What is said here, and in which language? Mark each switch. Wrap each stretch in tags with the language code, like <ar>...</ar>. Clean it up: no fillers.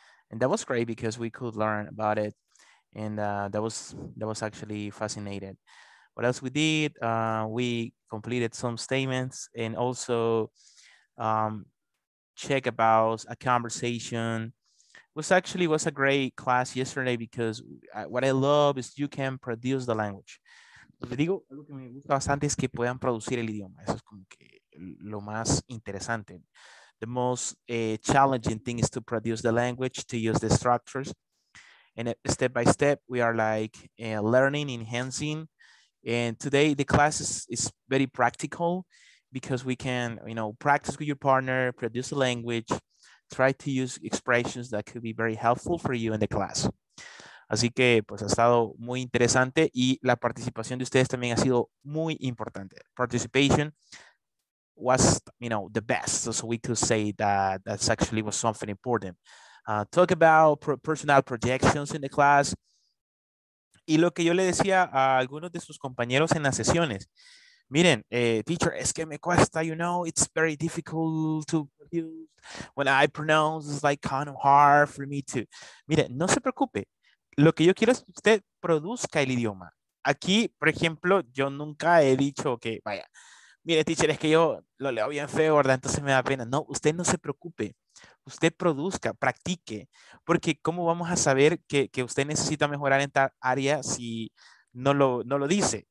<en>And that was great because we could learn about it. And that was actually fascinating. What else we did? We completed some statements and also check about a conversation. It was actually was a great class yesterday because what I love is you can produce the language.</en> <es>Le digo algo que me gusta bastante es que puedan producir el idioma. Eso es como que lo más interesante.</es> <en>The most challenging thing is to produce the language, to use the structures. And step by step, we are like learning, enhancing. And today the class is very practical because we can, you know, practice with your partner, produce the language, try to use expressions that could be very helpful for you in the class.</en> <es>Así que, pues, ha estado muy interesante y la participación de ustedes también ha sido muy importante.</es> <en>Participation was, you know, the best. So we could say that that's actually was something important. Talk about personal projections in the class.</en> <es>Y lo que yo le decía a algunos de sus compañeros en las sesiones. Miren, teacher, es que me cuesta,</es> <en>you know, it's very difficult to use. When I pronounce, it's like kind of hard for me to.</en> <es>Miren, no se preocupe. Lo que yo quiero es que usted produzca el idioma. Aquí, por ejemplo, yo nunca he dicho que vaya. Mire, teacher, es que yo lo leo bien feo, ¿verdad? Entonces me da pena. No, usted no se preocupe. Usted produzca, practique. Porque ¿cómo vamos a saber que usted necesita mejorar en tal área si no lo dice?</es>